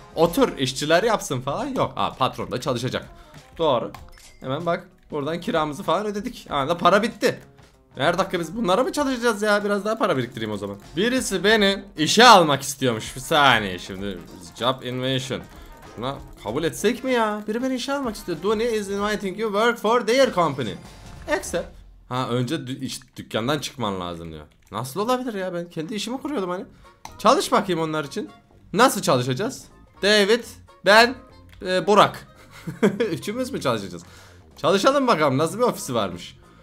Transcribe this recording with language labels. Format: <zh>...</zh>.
<tr>Otur işçiler yapsın falan yok. Aa, patron da çalışacak. Doğru. Hemen bak, buradan kiramızı falan ödedik. Aa, para bitti. Her dakika biz bunlara mı çalışacağız ya? Biraz daha para biriktireyim o zaman. Birisi beni işe almak istiyormuş. Bir saniye şimdi.</tr> <en>Job invitation.</en> <tr>Şuna kabul etsek mi ya? Biri beni işe almak istiyor.</tr> <en>Donnie is inviting you work for their company. Accept.</en> <tr>Ha, önce dükkandan çıkman lazım diyor. Nasıl olabilir ya, ben kendi işimi kuruyordum hani. Çalış bakayım onlar için. Nasıl çalışacağız? David, ben, Burak. Üçümüz mü çalışacağız? Çalışalım bakalım, nasıl bir ofisi varmış.</tr>